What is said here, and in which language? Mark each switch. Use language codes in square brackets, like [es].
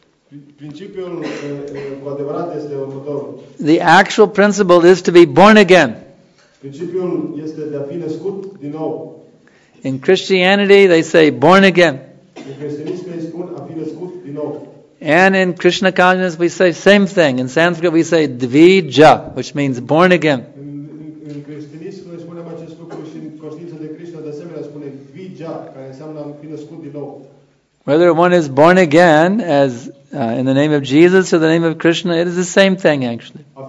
[en] The actual principle is to be born again. [ro] Principiul este de a fi născut din nou. [en] In Christianity, they say born again. [ro] În creștinisme spun a fi născut din nou. [en] And in Krishna consciousness, we say same thing. In Sanskrit, we say dvija, which means born again. [ro] În creștinisme spunem acest lucru și în conștiința de Krishna, de asemenea, spune dvija, care înseamnă a fi născut din nou. [en] Whether one is born again as in the name of Jesus or the name of Krishna, it is the same thing actually.